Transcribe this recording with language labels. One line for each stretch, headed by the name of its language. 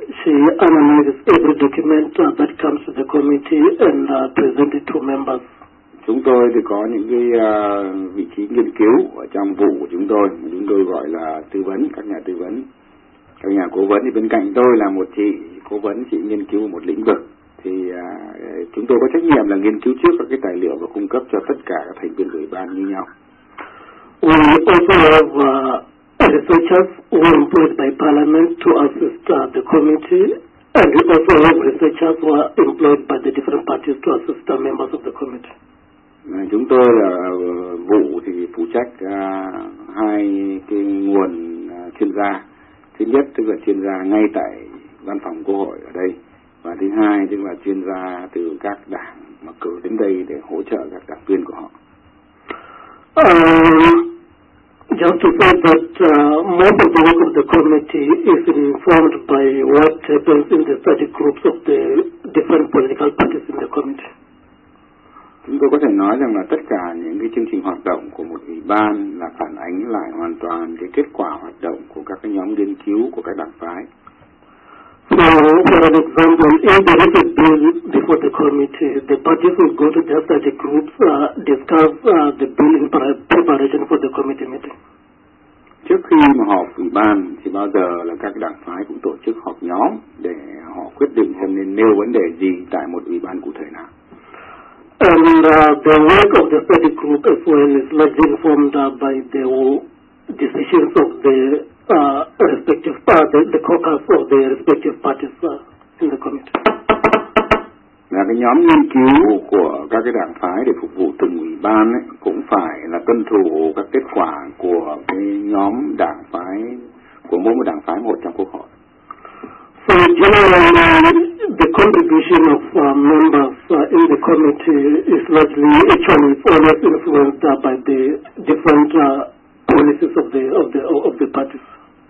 English: She analyzes every document that comes to the committee and presents it to members.
Vietnamese: Chúng tôi thì có những cái vị trí nghiên cứu ở trong vụ của chúng tôi, chúng tôi gọi là tư vấn, các nhà tư vấn, các nhà cố vấn. Thì bên cạnh tôi là một chị cố vấn, chị nghiên cứu một lĩnh vực, thì chúng tôi có trách nhiệm là nghiên cứu trước các cái tài liệu và cung cấp cho tất cả các thành viên ủy ban như nhau.
English: We also have researchers who are employed by Parliament to assist the committee, and we also have researchers who are employed by the different parties to assist the members of the committee.
Vietnamese: Chúng tôi là vụ thì phụ trách hai cái nguồn chuyên gia. Thứ nhất tức là chuyên gia ngay tại văn phòng quốc hội ở đây, và thứ hai tức là chuyên gia từ các đảng mà cử đến đây để hỗ trợ các đảng viên của họ.
English: Just to say that most of the work of the committee is informed by what happens in the study groups of the different political parties in the committee.
Vietnamese: Chúng tôi có thể nói rằng là tất cả những cái chương trình hoạt động của một ủy ban là phản ánh lại hoàn toàn cái kết quả hoạt động của các cái nhóm nghiên cứu của các đảng phái.
English: So, for an example, if there is a bill before the committee, the parties will go to their study groups, discuss the bill in preparation for the committee meeting.
Vietnamese: Trước khi mà họp ủy ban thì bao giờ là các đảng phái cũng tổ chức họp nhóm để họ quyết định xem nên nêu vấn đề gì tại một ủy ban cụ thể nào.
English: And the work of the study group as well is largely informed by the decisions of the respective parties, the caucus of the respective parties in the committee.
Vietnamese: Là cái nhóm nghiên cứu của các cái đảng phái để phục vụ từng ủy ban ấy, cũng phải là tuân thủ các kết quả của cái nhóm đảng phái, của mỗi một đảng phái một trong quốc hội.
English: So generally, the contribution of members in the committee is largely, actually, it's always influenced by the different policies of the parties.